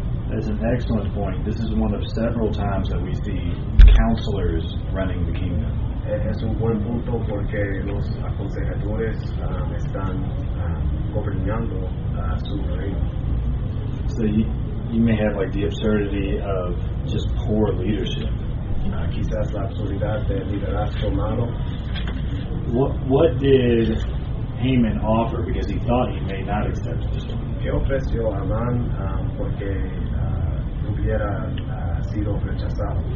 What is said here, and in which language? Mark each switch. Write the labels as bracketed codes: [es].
[en] That's an excellent point. This is one of several times that we see counselors running the kingdom. [es] Es un buen punto porque los aconsejadores están gobernando su reino. [en] So you may have like the absurdity of just poor leadership. [es] Quizás la absurdidad de liderazgo malo. [en] What did Haman offer because he thought he may not accept this one? [es] ¿Qué ofreció Amán porque hubiera sido rechazado?